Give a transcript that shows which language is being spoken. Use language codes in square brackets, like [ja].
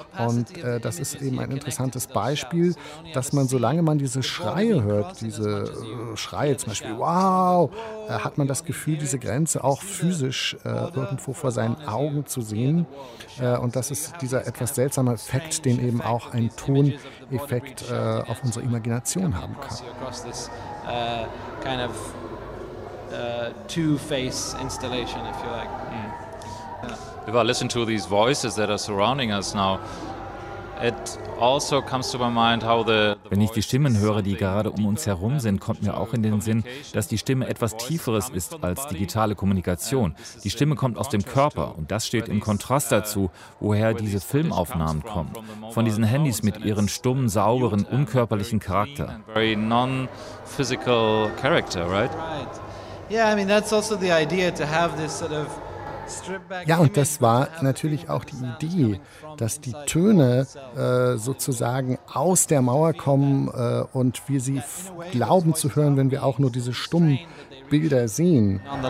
[de] Und das ist eben ein interessantes Beispiel, dass man, solange man diese Schreie hört, diese Schreie zum Beispiel, wow, hat man das Gefühl, diese Grenze auch physisch irgendwo vor seinen Augen zu sehen. Und das ist dieser etwas seltsame Effekt, den eben auch ein Toneffekt auf unsere Imagination haben kann. [en] Two-Face-Installation, if you like. If I listen to these voices that are surrounding us now, it also comes to my mind how the [de] Wenn ich die Stimmen höre, die gerade um uns herum sind, kommt mir auch in den Sinn, dass die Stimme etwas Tieferes ist als digitale Kommunikation. Die Stimme kommt aus dem Körper und das steht im Kontrast dazu, woher diese Filmaufnahmen kommen. Von diesen Handys mit ihren stummen, sauberen, unkörperlichen Charakter. [en] Very non-physical character, right? Yeah, I mean that's also the idea to have this sort of [de] Ja, und das war natürlich auch die Idee, dass die Töne sozusagen aus der Mauer kommen und wir sie glauben zu hören, wenn wir auch nur diese stummen Bilder sehen.